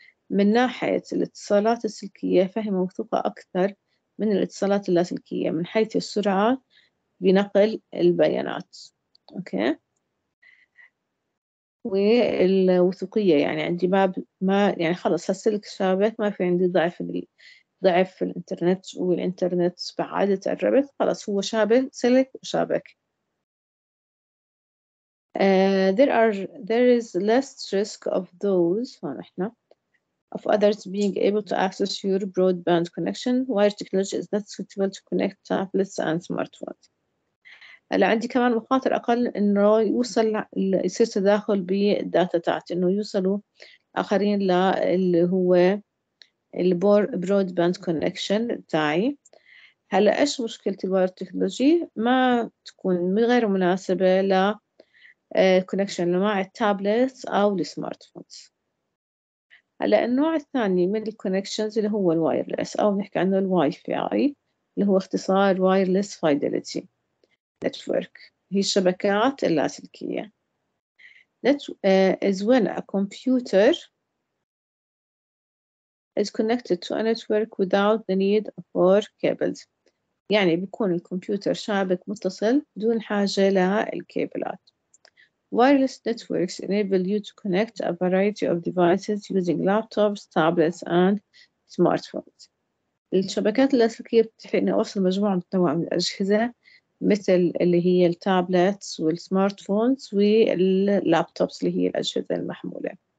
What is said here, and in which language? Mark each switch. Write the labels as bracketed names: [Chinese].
[Arabic] من ناحية الاتصالات السلكية فهي موثوقة أكثر من الاتصالات اللاسلكية من حيث السرعة بنقل البيانات. أوكي. والوثوقية يعني عندي باب ما يعني خلص هالسلك شابك ما في عندي ضعف ضعف في الانترنت، والانترنت بعادة قربت خلاص هو شابك سلك وشابك. [English] There is less risk of those [Arabic] هون احنا [English] of others being able to access your broadband connection. Wired technology is not suitable to connect tablets and smartphones. [Arabic] هلا عندي كمان مخاطر اقل انه يوصل يصير تداخل بالداتا تاعتي، انه يوصلوا اخرين اللي هو البرودباند كونكشن تاعي. هلا ايش مشكلة الواير تكنولوجي؟ ما تكون غير مناسبة ل كونكشن مع التابلت او السمارت فونز. هلا النوع الثاني من الكونكشنز اللي هو الوايرلس او نحكي عنه الواي فاي اللي هو اختصار وايرلس فايدلتي نتورك، هي الشبكات اللاسلكية. [English] is when a computer is connected to a network without the need for cables. [Arabic] يعني بيكون الكمبيوتر شابك متصل بدون حاجة للكابلات. [English] Wireless networks enable you to connect a variety of devices using laptops, tablets, and smartphones. [Arabic] الشبكات اللاسلكية بتتيح لي إني أوصل مجموعة متنوعة من الأجهزة مثل اللي هي التابلتس والسمارتفونز واللابتوبس اللي هي الأجهزة المحمولة.